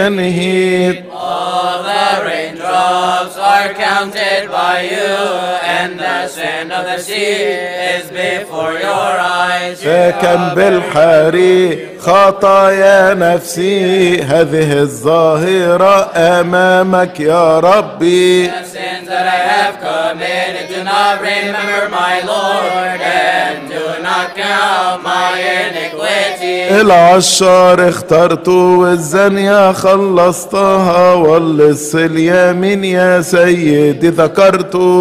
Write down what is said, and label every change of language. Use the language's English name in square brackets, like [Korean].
[English] All the raindrops are counted by you, and the sand of the sea is before your eyes. [Arabic] فكم بالحري خطايا نفسي هذه الظاهرة أمامك يا ربي. [English] The sins that I have committed, do not remember my Lord, and do not count my iniquity. [Arabic] العشار اخترت والزانية خلصتها واللص اليمين يا سيدي ذكرت.